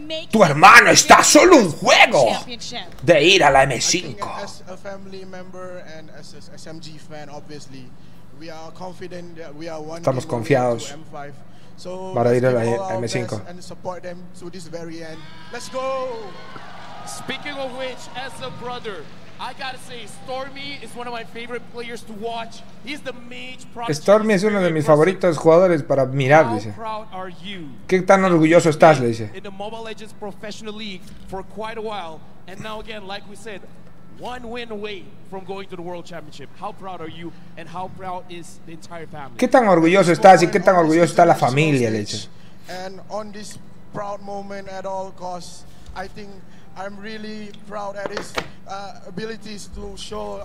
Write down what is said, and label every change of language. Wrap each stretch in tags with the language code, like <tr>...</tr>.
<es>Tu hermano está solo un juego de ir a la M5.</es> <en>As a family member and as a SMG fan, obviously, we are confident that we are one.</en> <es>Estamos confiados para ir a la M5.</es> <en>And support them to this very end. Let's go. Speaking of which, as a brother, I gotta say, Stormy is one of my favorite players to watch. He's the mage prodigy.</en> <es>Stormy es uno de mis favoritos jugadores para mirar, dice.</es> <en>How proud are you?</en> <es>¿Qué tan orgulloso estás, le dice?</es> <en>In the Mobile Legends Professional League for quite a while, and now again, like we said, one win away from going to the World Championship. How proud are you? And how proud is the entire family?</en> <es>¿Qué tan orgulloso estás y qué tan orgulloso está la familia, le dice?</es> <en>And on this proud moment, at all costs, I think I'm really proud at his abilities to show.</en>